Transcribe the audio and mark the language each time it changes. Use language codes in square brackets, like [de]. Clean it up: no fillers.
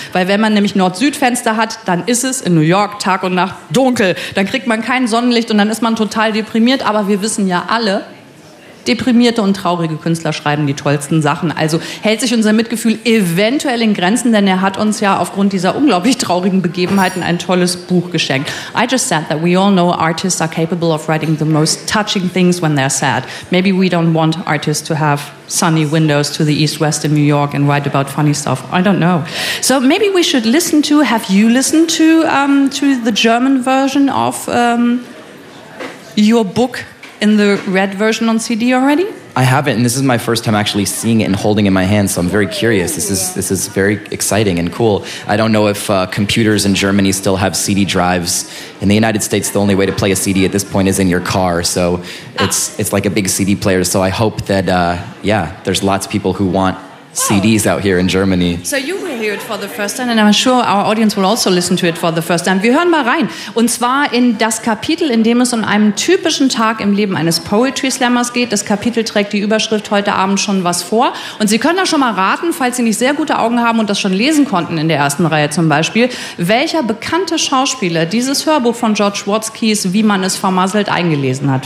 [de] Weil wenn man nämlich Nord-Süd-Fenster hat, dann ist es in New York Tag und Nacht dunkel. Dann kriegt man kein Sonnenlicht und dann ist man total deprimiert. Aber wir wissen ja alle, deprimierte und traurige Künstler schreiben die tollsten Sachen. Also hält sich unser Mitgefühl eventuell in Grenzen, denn er hat uns ja aufgrund dieser unglaublich traurigen Begebenheiten ein tolles Buch geschenkt. [en] I just said that we all know artists are capable of writing the most touching things when they're sad. Maybe we don't want artists to have sunny windows to the east-west in New York and write about funny stuff. I don't know. So maybe we should listen to, have you listened to the German version of your book? In the red version on CD already? I haven't, and this is my first time actually seeing it and holding it in my hand, so I'm very curious. This is very exciting and cool. I don't know if computers in Germany still have CD drives. In the United States, the only way to play a CD at this point is in your car, so it's like a big CD player. So I hope that, there's lots of people who want CDs out here in Germany. So you will hear it for the first time and I'm sure our audience will also listen to it for the first time. [de] Wir hören mal rein. Und zwar in das Kapitel, in dem es um einen typischen Tag im Leben eines Poetry Slammers geht. Das Kapitel trägt die Überschrift heute Abend schon was vor. Und Sie können da schon mal raten, falls Sie nicht sehr gute Augen haben und das schon lesen konnten in der ersten Reihe zum Beispiel, welcher bekannte Schauspieler dieses Hörbuch von George Watzkys, wie man es vermasselt, eingelesen hat.